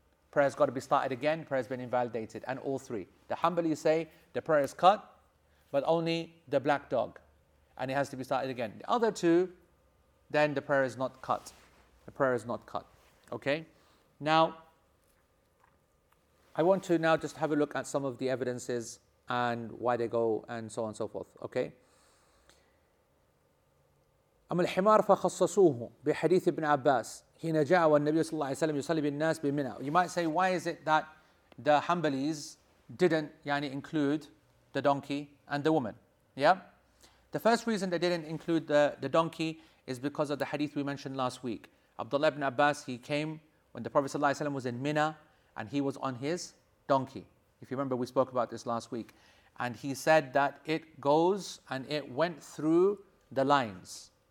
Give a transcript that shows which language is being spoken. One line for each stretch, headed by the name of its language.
English: Prayer has got to be started again, prayer has been invalidated, and all three. The Hanbalis say the prayer is cut, but only the black dog, and it has to be started again. The other two, then the prayer is not cut. The prayer is not cut. Okay? Now, I want to now just have a look at some of the evidences and why they go and so on and so forth. Okay?
Arabic: أم الحمار فخصصوه بحديث ابن عباس حين جاء والنبي صلى الله عليه وسلم يصلي بالناس بمنى.
English: You might say, why is it that the Hanbalis didn't yani include the donkey and the woman. Yeah? The first reason they didn't include the donkey is because of the hadith we mentioned last week. Abdullah ibn Abbas, he came when the Prophet ﷺ was in Mina and he was on his donkey. If you remember, we spoke about this last week. And he said that it goes and it went through the lines.